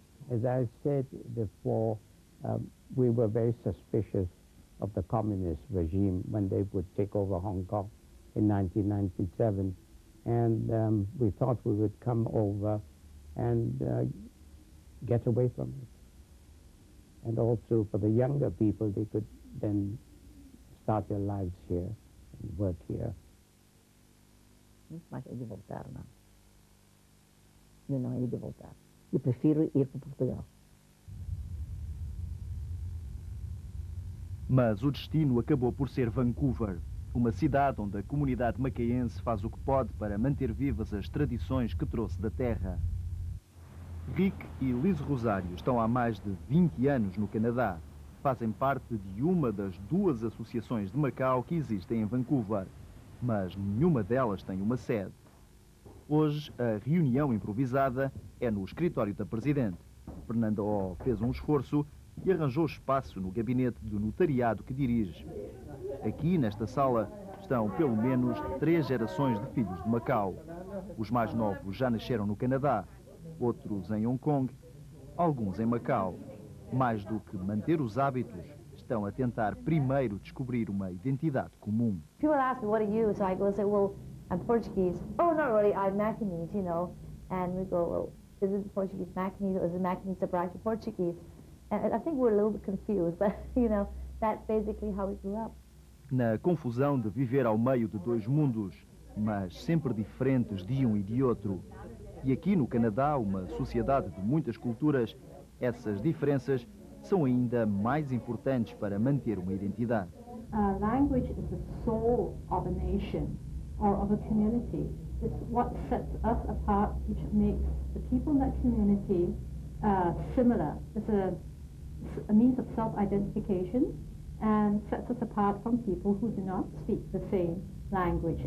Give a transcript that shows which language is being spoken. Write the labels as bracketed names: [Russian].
[English] As I said before, we were very suspicious of the communist regime when they would take over Hong Kong in 1997. And we thought we would come over and get away from it. And also for the younger people, they could then start their lives here and work here. [Portuguese] Não mais de voltar, não. Eu não hei de voltar. Eu prefiro ir para Portugal. Mas o destino acabou por ser Vancouver, uma cidade onde a comunidade macaense faz o que pode para manter vivas as tradições que trouxe da terra. Rick e Liz Rosário estão há mais de 20 anos no Canadá. Fazem parte de uma das duas associações de Macau que existem em Vancouver, mas nenhuma delas tem uma sede. Hoje, a reunião improvisada é no escritório da Presidente. Fernanda Oh fez um esforço e arranjou espaço no gabinete do notariado que dirige. Aqui, nesta sala, estão pelo menos três gerações de filhos de Macau. Os mais novos já nasceram no Canadá, outros em Hong Kong, alguns em Macau. Mais do que manter os hábitos, estão a tentar primeiro descobrir uma identidade comum. [English] People ask me, what are you? So I go and say, well, I'm Portuguese. Oh, not really, I'm Macanese, you know. And we go, well, is it Portuguese Macanese, or is it Macanese Abraxas Portuguese? And I think we're a little bit confused, but, you know, that's basically how we grew up. [Portuguese] Na confusão de viver ao meio de dois mundos, mas sempre diferentes de um e de outro. E aqui no Canadá, uma sociedade de muitas culturas, essas diferenças são ainda mais importantes para manter uma identidade. [English] A language is the soul of a nation or of a community. It's what sets us apart, which makes the people in that community similar. It's a means of self-identification and sets us apart from people who do not speak the same language.